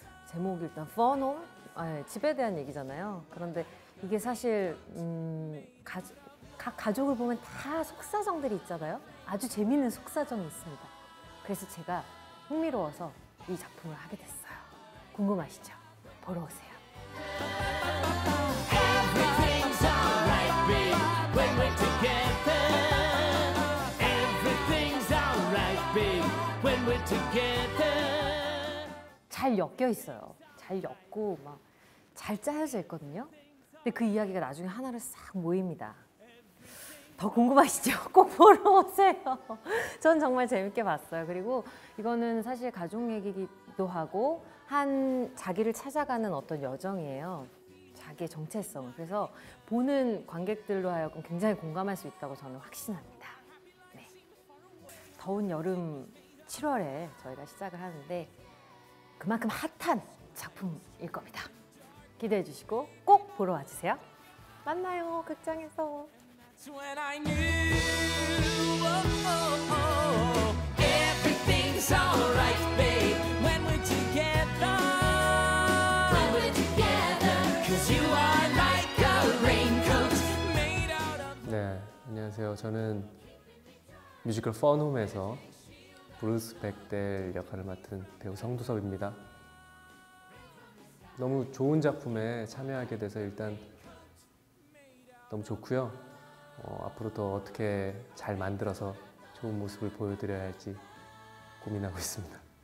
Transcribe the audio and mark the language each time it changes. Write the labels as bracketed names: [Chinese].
[Korean] 제목이 일단 펀홈? 집에 대한 얘기잖아요. 그런데 이게 사실 각 가족을 보면 다 속사정들이 있잖아요. 아주 재밌는 속사정이 있습니다. 그래서 제가 흥미로워서 이 작품을 하게 됐어요. 궁금하시죠? 보러 오세요. [English] Everything's alright babe when we're together. Everything's alright babe when we're together. [Korean] 잘 엮여 있어요. 잘 엮고 막 잘 짜여져 있거든요. 근데 그 이야기가 나중에 하나로 싹 모입니다. 더 궁금하시죠? 꼭 보러 오세요. 전 정말 재밌게 봤어요. 그리고 이거는 사실 가족 얘기기도 하고 한 자기를 찾아가는 어떤 여정이에요. 자기의 정체성을. 그래서 보는 관객들로 하여금 굉장히 공감할 수 있다고 저는 확신합니다. 네. 더운 여름 7월에 저희가 시작을 하는데 그만큼 핫한 작품일 겁니다. 기대해 주시고 꼭 보러 와주세요. 만나요, 극장에서. [English] When I knew, oh, oh, oh, everything's alright, babe. When we're together, when we're together, 'cause you are like a raincoat made out of. [Korean] 네, 안녕하세요. 저는 뮤지컬 Fun Home에서 브루스 백델 역할을 맡은 배우 성두섭입니다. 너무 좋은 작품에 참여하게 돼서 일단 너무 좋고요. 앞으로 더 어떻게 잘 만들어서 좋은 모습을 보여드려야 할지 고민하고 있습니다.